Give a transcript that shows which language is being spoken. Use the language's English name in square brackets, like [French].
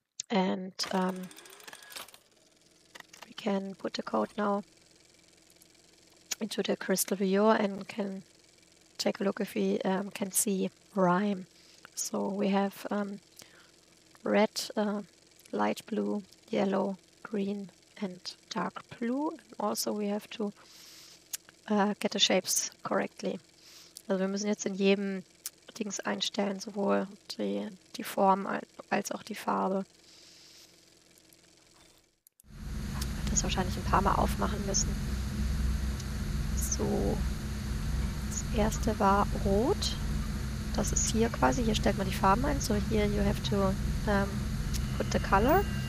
[English] And we can put the code now into the crystal viewer and can take a look if we can see Rhyme. So we have red, light blue, yellow, green, and dark blue. And also we have to get the shapes correctly. [German] Also wir müssen jetzt in jedem Dings einstellen, sowohl die Form als auch die Farbe. Das wahrscheinlich ein paar Mal aufmachen müssen. So, das erste war rot. Das ist hier quasi, hier stellt man die Farben ein. [English] So [German] hier [English] you have to put the color.